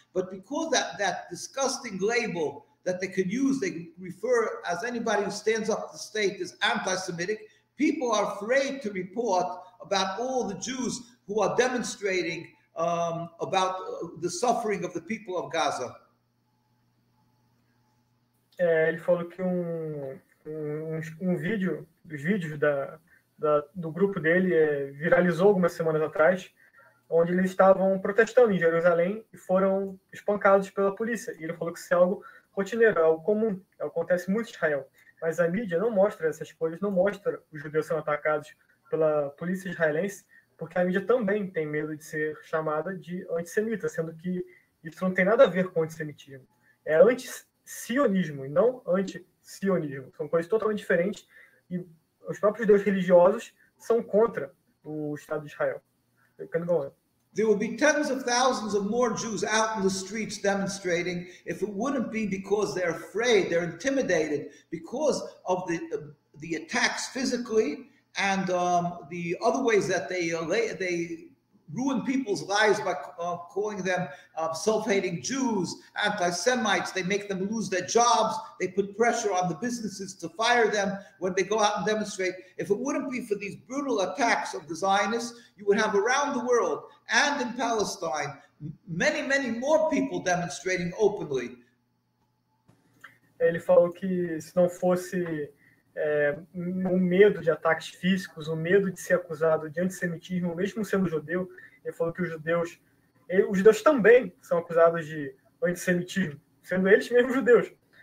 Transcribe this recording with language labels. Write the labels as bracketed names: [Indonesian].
[English] But because that disgusting label that they could use, they refer as anybody who stands up to the state is anti-Semitic, people are afraid to report about all the Jews who are demonstrating about the suffering of the people of Gaza. [Portuguese] Ele falou que um vídeo, os vídeos do grupo dele viralizou algumas semanas atrás, onde eles estavam protestando em Jerusalém e foram espancados pela polícia. E ele falou que isso é algo rotineiro, é algo comum, acontece muito em Israel. Mas a mídia não mostra essas coisas, não mostra os judeus sendo atacados pela polícia israelense, porque a mídia também tem medo de ser chamada de antissemita, sendo que isso não tem nada a ver com antissemitismo. É antissionismo e não antisionismo. São coisas totalmente diferentes e os próprios judeus religiosos são contra o Estado de Israel. [English] There will be tens of thousands of more Jews out in the streets demonstrating if it wouldn't be because they're afraid, they're intimidated because of the attacks physically and the other ways that they ruin people's lives by calling them self-hating Jews, anti-Semites. They make them lose their jobs. They put pressure on the businesses to fire them when they go out and demonstrate. If it wouldn't be for these brutal attacks of the Zionists, you would have around the world and in Palestine many, many more people demonstrating openly. [Portuguese] Ele falou que se não fosse o medo de ataques físicos, o medo de ser acusado de antissemitismo, mesmo sendo judeu, ele falou que os judeus também são acusados de antissemitismo, sendo eles mesmos judeus.